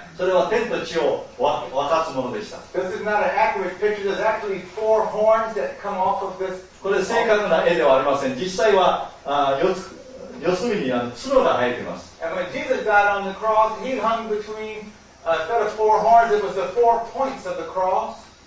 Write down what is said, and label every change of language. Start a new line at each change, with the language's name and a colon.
Japanese: それは天と地を分かつものでした。
English: This is not an accurate picture. There's actually four horns that come off of this.
Japanese: これ正確な絵ではありません。実際は四隅に角が生えています。
English: And when Jesus died on the cross, he hung between a set of four horns. It was the four points of the cross.